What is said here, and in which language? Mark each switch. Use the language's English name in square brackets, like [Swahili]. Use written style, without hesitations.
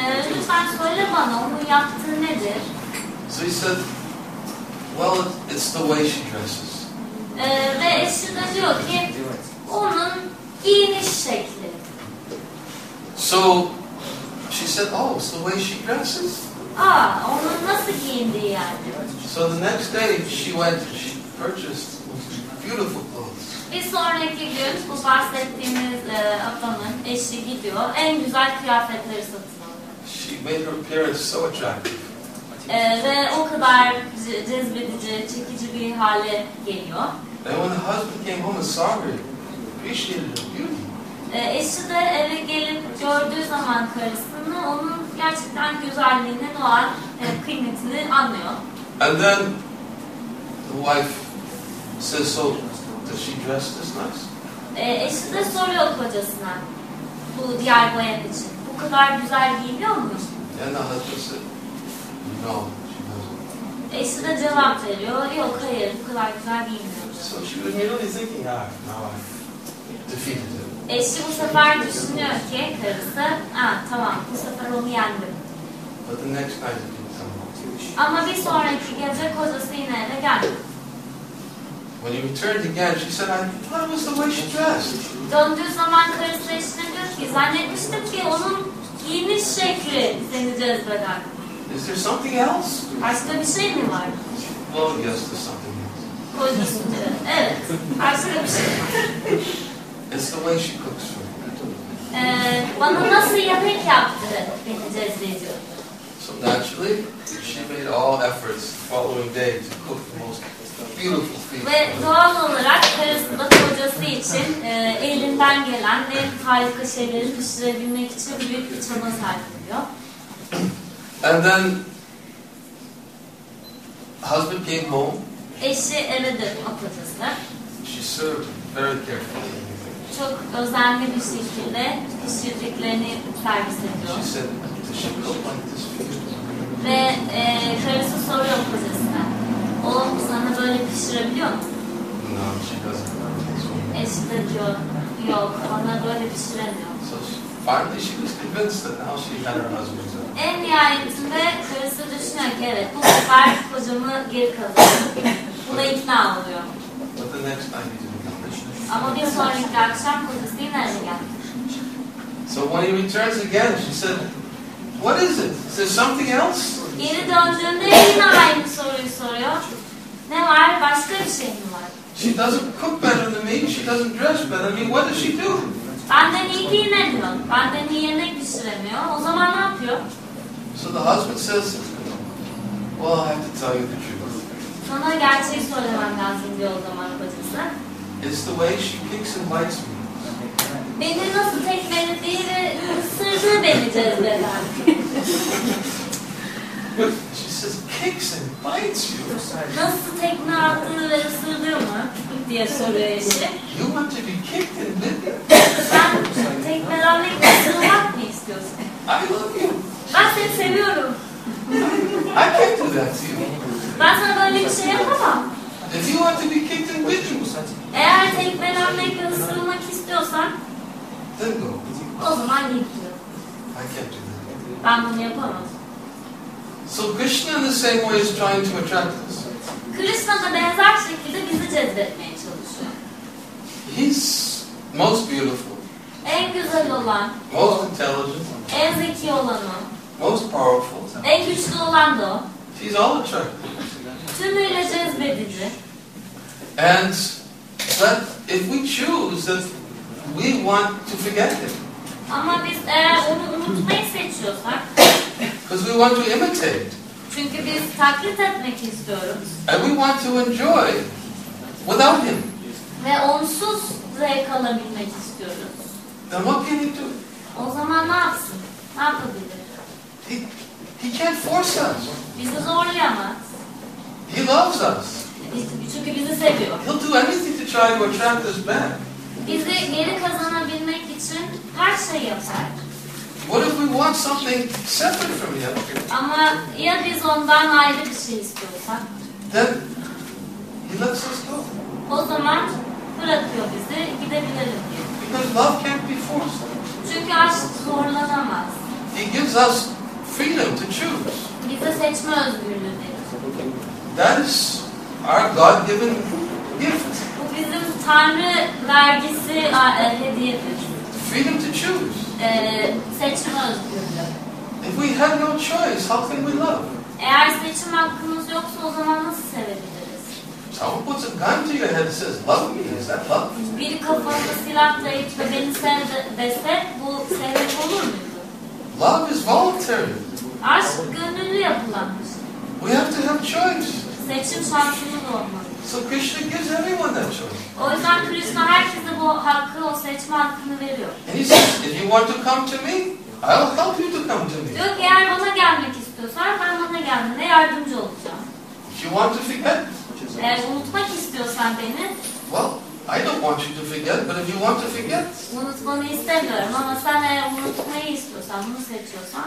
[Turkish] Lütfen söyle bana, onun yaptığı nedir? [English] So he said, well, it's the way she dresses. [Turkish] Ve eşi de diyor ki onun giyiniş şekli. [English] So she said, oh, it's the way she dresses. [Turkish] Onun nasıl giyindiği yani. [English] So the next day she went, she purchased beautiful clothes. [Turkish] Bir sonraki gün bu bahsettiğimiz adamın eşi gidiyor, en güzel kıyafetleri satın alıyor. [English] She made her appearance so attractive. [Turkish] Ve o kadar cezbedici, çekici bir hale geliyor. [English] And when the husband came home and saw her, appreciated her beauty. [Turkish] Eşi de eve gelip gördüğü zaman karısını, onun gerçekten güzelliğinin olan kıymetini anlıyor. [English] And then the wife says, so does she dress this nice? [Turkish] Eşi de soruyor kocasına, bu diğer boyak için, bu kadar güzel giyiniyor mu? [English] And the husband said, no, she doesn't. [Turkish] Eşi de cevap veriyor, yok hayır, bu kadar güzel giyiniyor. [English] So she was really thinking, ah, now I defeated him. [Turkish] Eşi bu sefer düşünüyor ki, karısı, ah tamam, bu sefer onu yendim. [English] But the next night, [Turkish] ama bir sonraki gece kocası yine eve geldi. [English] When he returned again, she said, I thought it was the way she dressed. [Turkish] Döndüğü zaman karısı eşine diyor ki, zannetmiştim ki onun giyiniş şekli seni cezbeder. [English] Is there something else? [Turkish] Başka bir şey mi var? [English] Well, yes, there's something else. [Turkish] Kocası diyor, evet, başka bir şey var. [English] It's the way she cooks for me. [Turkish] Bana nasıl yemek yaptı beni cezbediyor. [English] So naturally, she made all efforts the following day to cook the most beautiful feast. [Turkish] Ve doğal olarak karısı da kocası için elinden gelen ve harika şeyleri pişirebilmek için büyük bir çaba sarf ediyor. [English] And then, husband came home. [Turkish] Eşi eve döndü o kocası. [English] She served very carefully. [Turkish] Çok özenli bir şekilde pişirdiklerini servis ediyor. [English] She said, does she cook like this for you? [Turkish] Ve karısı soruyor kocasına, oğlum sana böyle pişirebiliyor musun? [English] No, she doesn't. [Turkish] Eşi de diyor, yok, bana böyle pişiremiyor. [English] So finally she was convinced that now she had her husband's own. [Turkish] En nihayetinde karısı düşünüyor ki, evet, bu sefer kocamı geri kazanıyor. Buna ikna oluyor. [English] But the next time he didn't come. [Turkish] Ama bir sonraki akşam kocası yine eve geldi. [English] So when he returns again, she said, what is it? Is there something else? [Turkish] Geri döndüğünde yine aynı soruyu soruyor. Ne var? Başka bir şey mi var? [English] She doesn't cook better than me. She doesn't dress better. I mean, what does she do? [Turkish] Benden iyi giyinemiyor. Benden iyi yemek pişiremiyor. O zaman ne yapıyor? [English] So the husband says, well, I have to tell you the truth. [Turkish] Sana gerçeği söylemem lazım diyor o zaman kocası. [English] It's the way she picks and likes me. [Turkish] Beni nasıl tekmelediği ve ısırdığı beni cezbeden. [English] She says, kicks and bites you. [Turkish] Nasıl tekme attığı ve ısırdığı mı? Diye soruyor eşi. [English] You want to be kicked and bitten. [Turkish] Sen tekmelenmek ve ısırmak mı istiyorsun? [English] I love you. [Turkish] Ben seni seviyorum. [English] I can't do that to you. [Turkish] Ben sana böyle bir şey yapamam. [English] If you want to be kicked and bitten, [Turkish] eğer tekmelenmek ve ısırmak istiyorsan, [English] then go. [Turkish] O zaman gidiyor. [English] I can't do that. [Turkish] Ben bunu yapamam. [English] So Krishna in the same way is trying to attract us. [Turkish] Krishna da benzer şekilde bizi cezbetmeye çalışıyor. [English] He's most beautiful. [Turkish] En güzel olan. [English] Most intelligent. [Turkish] En zeki olanı. [English] Most powerful. [Turkish] En güçlü olan da o. [English] He's all attractive. [Turkish] Tümüyle cezbedici. [English] And but if we choose that we want to forget him. [Turkish] Ama biz onu unutmayı seçiyorsak. [English] Because we want to imitate. [Turkish] Çünkü biz taklit etmek istiyoruz. [English] And we want to enjoy without him. [Turkish] Ve onsuz zevk alabilmek istiyoruz. [English] Then what can he do? [Turkish] O zaman ne yapsın? Ne yapabilir? [English] He can't force us. [Turkish] Bizi zorlayamaz. [English] He loves us. [Turkish] Çünkü bizi seviyor. [English] He'll do anything to try to attract us back. [Turkish] Bizi geri kazanabilmek için her şeyi yapar. [English] What if we want something separate from him? [Turkish] Ama ya biz ondan ayrı bir şey istiyorsak? [English] Then he lets us go. [Turkish] O zaman bırakıyor bizi, gidebiliriz diyor. [English] Because love can't be forced. [Turkish] Çünkü aşk zorlanamaz. [English] He gives us freedom to choose. [Turkish] Bize seçme özgürlüğü verir. [English] That is our God-given gift. [Turkish] Bu bizim Tanrı vergisi, hediyedir. [English] Freedom to choose. [Turkish] Seçme özgürlüğü. [English] If we have no choice, how can we love? [Turkish] Eğer seçim hakkımız yoksa o zaman nasıl sevebiliriz? [English] Someone puts a gun to your head and says, love me, is that love? [Turkish] Biri kafamda silah dayayıp da beni sev dese, bu sevmek olur muydu? [English] Love is voluntary. [Turkish] Aşk gönüllü yapılan bir şey. [English] We have to have choice. [Turkish] Seçim şansımız olmalı. [English] So Krishna gives everyone that choice. [Turkish] O yüzden Krishna herkese bu hakkı, o seçim hakkı seçme hakkını veriyor. [English] And he says, if you want to come to me, I'll help you to come to me. [Turkish] Diyor ki, eğer bana gelmek istiyorsan ben bana geldiğinde yardımcı olacağım. [English] If you want to forget, [Turkish] eğer unutmak istiyorsan beni, [English] well, I don't want you to forget, but if you want to forget, [Turkish] unutmanı istemiyorum ama sen eğer unutmayı istiyorsan, bunu seçiyorsan,